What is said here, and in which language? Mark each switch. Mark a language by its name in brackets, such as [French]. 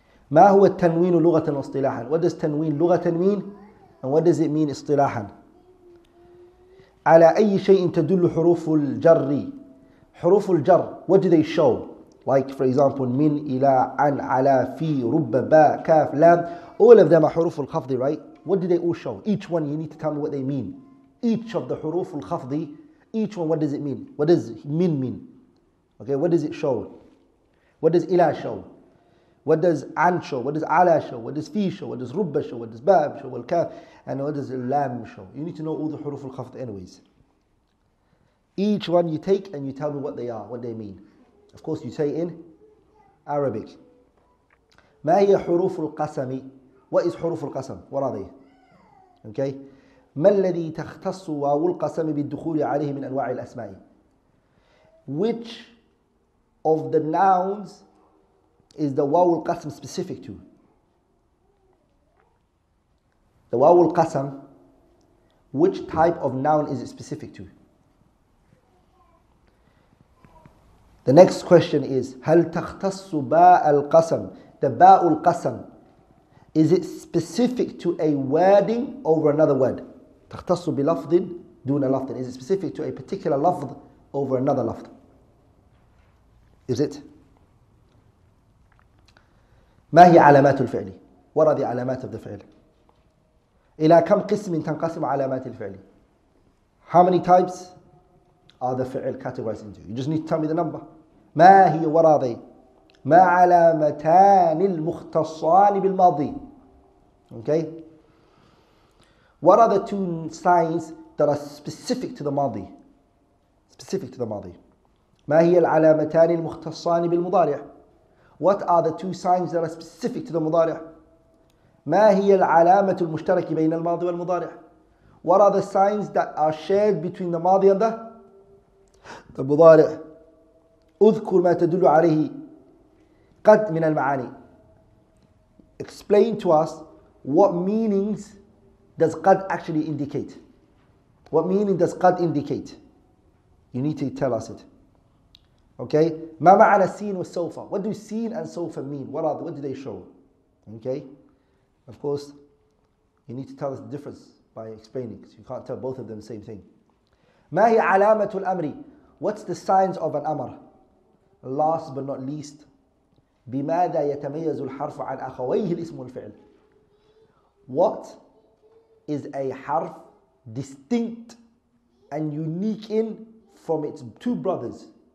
[Arabic] ما هو التنوين لغة واصطلاحا؟ [English] What does [Arabic] تنوين لغة mean? [English] And what does it mean اصطلاحا؟ [Arabic] على أي شيء تدل حروف الجر؟ [English] حروف الجر, what do they show? Like for example, [Arabic] من, إلى, عن, على, في, رب, با, كاف, لام. [English] All of them are حروف الخفض, right? What do they all show? Each one, you need to tell me what they mean. Each of the حروف الخفض, each one, what does it mean? What does من mean? Okay, what does it show? What does إلى show? What does عن show? What does على show? What does في show? What does رب show? What does باب show? والكاف. And what does لام show? You need to know all the حروف الخفض anyways. Each one you take and you tell me what they are, what they mean. Of course, you say in Arabic. [Arabic] ما هي حروف القسم؟ [English] What is [Arabic] حروف القسم? [English] What are they? Okay. [Arabic] ما الذي تختص واو القسم بالدخول عليه من أنواع الأسماء? [English] Which of the nouns is the واو القسم specific to? The واو القسم, which type of noun is it specific to? The next question is, [Arabic] هل تختص باء القسم? [English] The باء القسم, is it specific to a wording over another word? [Arabic] تختص بلفظ دون لفظ, [English] is it specific to a particular لفظ over another لفظ? Is it? [Arabic] ما هي علامات الفعل? [English] What are the [Arabic] علامات of the فعل? إلى كم قسم تنقسم علامات الفعل? [English] How many types are the فعل categorized into? You just need to tell me the number. [Arabic] ما هي وراضي؟ ما علامتان المختصان بالماضي؟ Okay. [English] What are the two signs that are specific to the ماضي? Specific to the [Arabic] ماضي. ما هي العلامتان المختصان بالمضارع؟ [English] What are the two signs that are specific to the [Arabic] مضارع؟ ما هي العلامة المشتركة بين الماضي والمضارع؟ [English] What are the signs that are shared between the ماضي and the [Arabic] مضارع؟ اذكر ما تدل عليه قد من المعاني. [English] Explain to us what meanings does قد actually indicate. What meaning does قد indicate? You need to tell us it. Okay. [Arabic] ما معنى seen وسوف? [English] What do seen and سوف mean? What do they show? Okay. Of course, you need to tell us the difference by explaining. So you can't tell both of them the same thing. [Arabic] ما هي علامة الأمر? [English] What's the signs of an أمر? Last but not least, [Arabic] بماذا يتميز الحرف عن أخويه الاسم والفعل? [English] What is a حرف distinct and unique in from its two brothers?